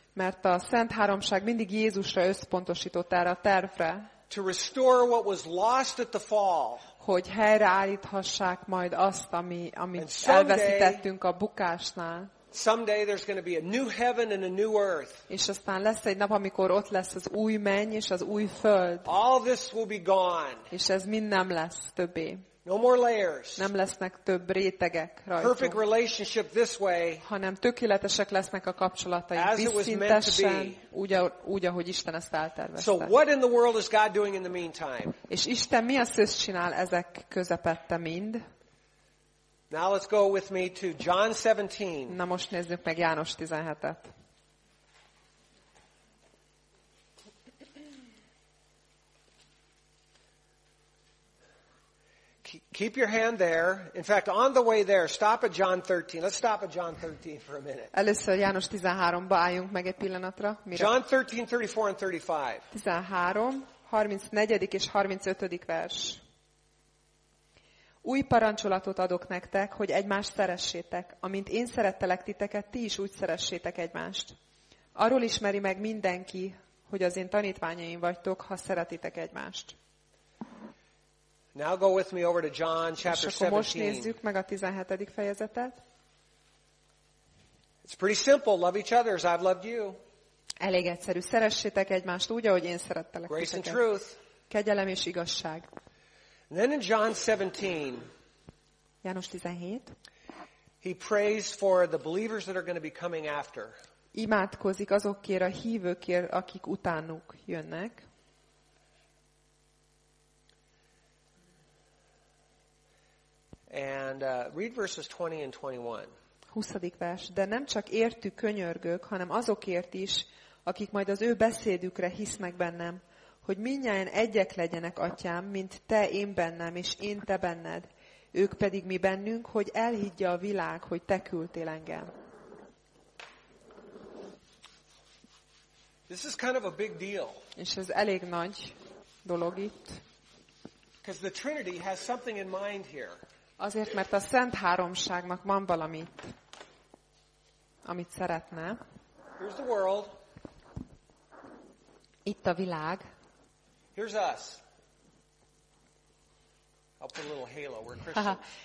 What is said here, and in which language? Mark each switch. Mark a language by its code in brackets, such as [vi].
[hu] Mert a Szent Háromság mindig Jézusra összpontosított erre a tervre. [en] To restore what was lost at the fall. [hu] Hogy helyreállíthassák majd azt, amit elveszítettünk a bukásnál. [en] Someday there's going to be a new heaven and a new earth. [hu] És aztán lesz egy nap, amikor ott lesz az új menny és az új föld. [en] All this will be gone. [hu] És ez mind nem lesz többé. [en] No more layers. [hu] Nem lesznek több rétegek rajtunk. [en] Perfect relationship this way. [hu] Hanem tökéletesek lesznek a kapcsolataink visszintesen, úgy, ahogy Isten ezt eltervezte. [en] So what in the world is God doing in the meantime? [hu] És Isten mi azt ezt csinál ezek közepette mind? [en] Now let's go with me to John 17. [hu] Na most nézzük meg János 17-et. [en] Keep your hand there. In fact, on the way there, stop at John 13. Let's stop at John 13 for a minute. [hu] Először János 13-ba álljunk meg egy pillanatra. Mire? [en] John 13, 34 and 35. [hu] 13, 34. és 35. vers. Új parancsolatot adok nektek, hogy egymást szeressétek, amint én szerettelek titeket, ti is úgy szeressétek egymást. Arról ismeri meg mindenki, hogy az én tanítványaim vagytok, ha szeretitek egymást. [en] Now go with me over to John chapter [hu] 17. És most nézzük meg a 17. fejezetet. [en] It's pretty simple, love each other as I've loved you. [hu] Elég egyszerű, szeressétek egymást úgy, ahogy én szerettelek [en] Grace [hu] titeket. [en] And truth. [hu] Kegyelem és igazság. [en] Then in John 17, [hu] János 17, [en] he prays for the believers that are going to be coming after. [hu] Imádkozik azokért a hívőkért, akik utánuk jönnek. [en] And read verses 20 and 21. [hu] 20. vers. De nem csak értük könyörgök, hanem azokért is, akik majd az ő beszédükre hisznek bennem, hogy mindnyájan egyek legyenek, Atyám, mint Te én bennem, és én Te benned. Ők pedig mi bennünk, hogy elhiggye a világ, hogy Te küldtél engem. [en] This is kind of a big deal. [hu] És ez elég nagy dolog itt. [en] Because the Trinity has something in mind here. [hu] Azért, mert a Szent Háromságnak van valamit, amit szeretne. [en] Here's the world. [hu] Itt a világ. [en] Here's us. I'll put a little halo. We're Christians. Aha,